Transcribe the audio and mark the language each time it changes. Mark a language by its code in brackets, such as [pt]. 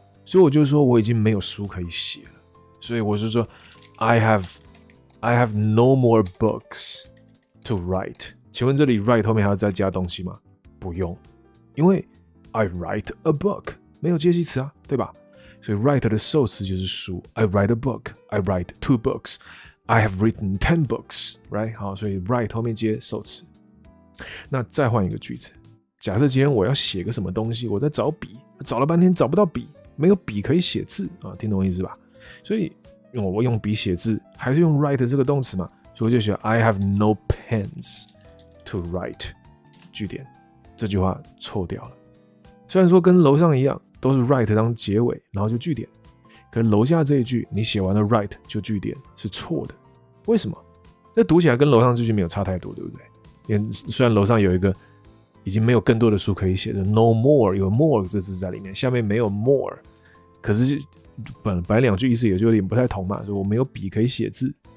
[zh] 所以我就说我已经没有书可以写了，所以我就说 [en] I have no more books to write。 [zh] 请问这里 write 后面还要再加东西吗？不用，因为 [en] I write a book [zh] 没有介系词啊，对吧？所以 write 的受词就是书。 [en] I write a book， I write two books， I have written 10 books， right？ [zh] 好，所以 write 后面接受词。那再换一个句子，假设今天我要写个什么东西，我在找笔，找了半天找不到笔，没有笔可以写字啊，听懂我意思吧？所以我用笔写字，还是用 write 这个动词嘛？所以我就写 [en] I have no pens to write。 [zh] 句点，这句话错掉了。虽然说跟楼上一样，都是 write 当结尾，然后就句点，可是楼下这一句你写完了 write 就句点是错的。为什么？那读起来跟楼上这句没有差太多，对不对？也虽然楼上有一个。已经没有更多的书可以写的 ，no more 有 more 这字在里面，下面没有 more， 可是本来两句意思也就有点不太同嘛，所以我没有笔可以写字。